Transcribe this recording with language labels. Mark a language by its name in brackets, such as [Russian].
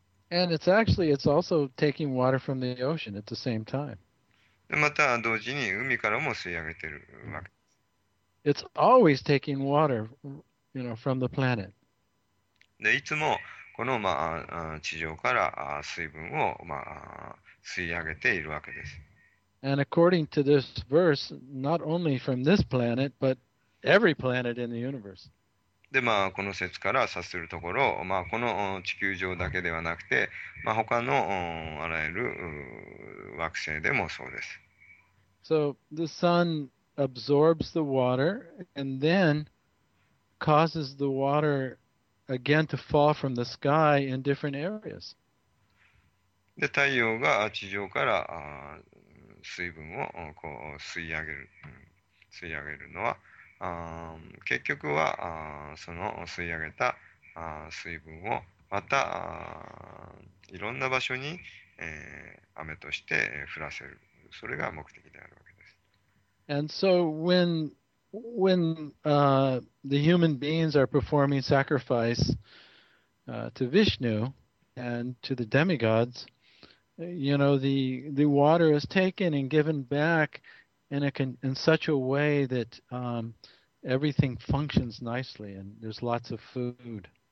[English] And it's also taking water from the ocean at the same time. [Japanese] で、また同時に海からも吸い上げてるわけ [English] It's always taking water, from the planet. [Japanese] です。で、いつもこの、まあ、地上から水分を、まあ、吸い上げているわけです。 [English] And according to this verse, not only from this planet, but every planet in the universe. [Japanese] で、まあ、この説から察するところ、まあ、この地球上だけではなくて、まあ、他のあらゆる惑星でもそうです。 [English] So the sun absorbs the water and then causes the water again to fall from the sky in different areas. [Japanese] で、太陽が地上から水分をこう吸い上げるのは、結局はその吸い上げた水分をまたいろんな場所に雨として降らせる、それが目的であるわけです。 [English] And so when the human beings are performing sacrifice to Vishnu and to the demigods, the water is taken and given back in such a way that everything functions nicely and there's lots of food.